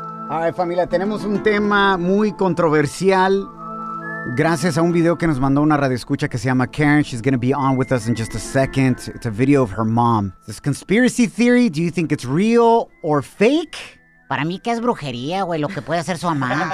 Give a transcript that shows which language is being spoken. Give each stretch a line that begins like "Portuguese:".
English: All right,
Spanish: familia, tenemos un tema muy controversial. Gracias a un video que nos mandó una radioescucha que se llama Karen.
English: She's going to be on with us in just a second. It's a video of her mom. This conspiracy theory, do you think it's real or fake?
Spanish: Para mí que es brujería, güey, lo que puede hacer su mamá.